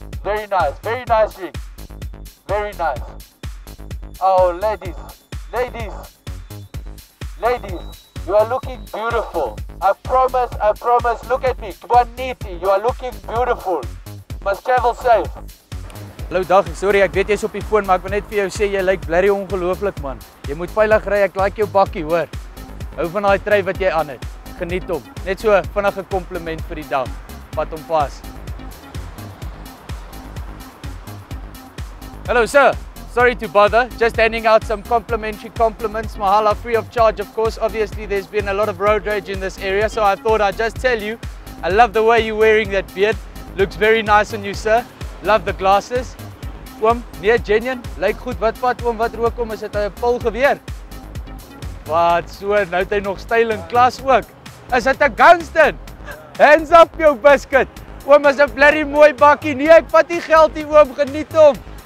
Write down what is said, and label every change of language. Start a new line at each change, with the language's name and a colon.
English: Very nice ring. Very nice. Oh, ladies, ladies, ladies, you are looking beautiful. I promise, look at me. You are looking beautiful. You must travel safe.
Afrikaans: Hallo dag, sorry, ek weet jy's op die foon, maar ek wil net vir jou sê jy lyk blerrie ongelooflik man. Jy moet veilig ry, ek like jou bakkie, hoor. Hou van daai trui wat jy aan het. Geniet hom. Net so vinnige kompliment vir die dag. Wat hom pas.
English: Hello sir. Sorry to bother, just handing out some complimentary compliments. Mahala, free of charge, of course. Obviously, there's been a lot of road rage in this area, so I thought I'd just tell you, I love the way you're wearing that beard. Looks very nice on you, sir. Love the glasses.
Afrikaans: Oom, nee,
English: genuine.
Afrikaans: Lyk goed, wat pad, oom, wat rook om, is dit 'n pul geweer? Wat, so, nou het hy nog styl in klas ook. Is dit 'n gangster?
English: Hands up,
Afrikaans: jou biscuit. Oom, is 'n blerrie mooi bakkie. Nee, ek vat die geld hier, oom, geniet hom.